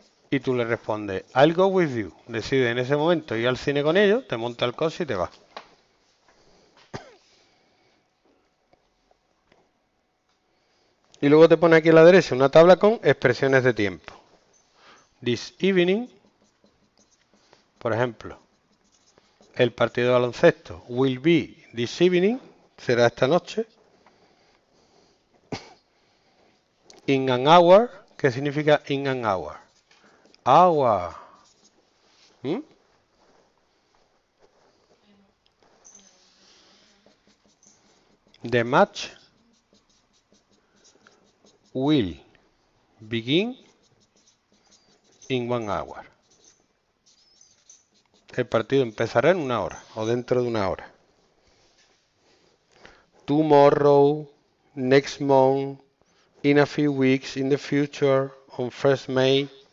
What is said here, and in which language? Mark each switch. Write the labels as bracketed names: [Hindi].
[Spanish] Y tú le respondes, [English] I'll go with you. [Spanish] Decide en ese momento ir al cine con ellos, te monta el coche y te vas. Y luego te pone aquí a la derecha una tabla con expresiones de tiempo. [English] This evening, [Spanish] por ejemplo, el partido de baloncesto [English] will be this evening, [Spanish] será esta noche. [English] In an hour, [Spanish] ¿qué significa [English] in an hour? Agua. The match will begin in 1 hour. [Spanish] El partido empezará en 1 hora o dentro de 1 hora. [English] Tomorrow, next month, in a few weeks, in the future, on first May.